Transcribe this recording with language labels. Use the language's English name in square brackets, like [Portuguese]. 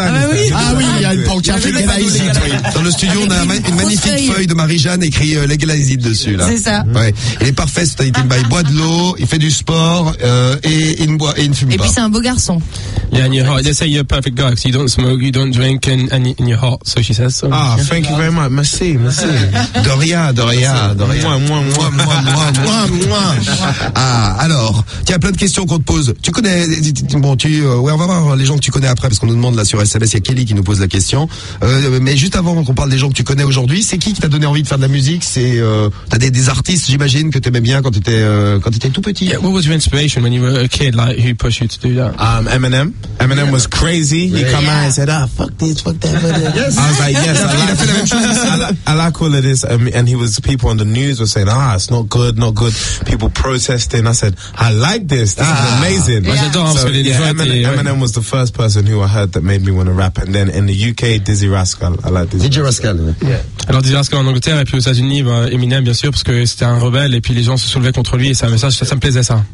[French] Ah oui, il y a une pancarte Legalize It. Dans le studio, on a une magnifique feuille de Marie-Jeanne écrit Legalize It dessus, là. C'est ça. Ouais. Il est parfait, c'est un bail. Il boit de l'eau, il fait du sport, et il ne boit, et il ne fume pas. Et puis c'est un beau garçon. [English] Yeah, and your heart. They say you're a perfect guy, because you don't smoke, you don't drink, and in your heart, so she says. So. Ah, thank you very much. [French] Merci. Doria. Moi. Ah, alors, tu as plein de questions qu'on te pose. Tu connais, ouais, on va voir les gens que tu connais après, parce qu'on nous demande là sur SMS, il y a Kelly qui nous pose la question. Mais juste avant qu'on parle des gens que tu connais aujourd'hui, c'est qui t'a donné envie de faire de la musique? C'est, t'as des artistes, j'imagine, que t'aimais bien quand t'étais tout petit. [English] Yeah, what was your inspiration when you were a kid, like, who pushed you to do that? Eminem was crazy. Really? He come out and said, fuck this. I was like, yes, I like all of this. And he was, people on the news were saying, it's not good. People protesting. I said, I like this. This is amazing. Yeah. Eminem was the first person who I heard that made me want to rap. And then in the UK, Dizzy Rascal. I like Dizzy. Dizzy Rascal. Yeah. [French] Alors Dizzy Rascal en Angleterre, et puis aux États-Unis, bah, Eminem bien sûr, parce que c'était un rebelle, et puis les gens se soulevaient contre lui, et ça, ça, ça me plaisait ça.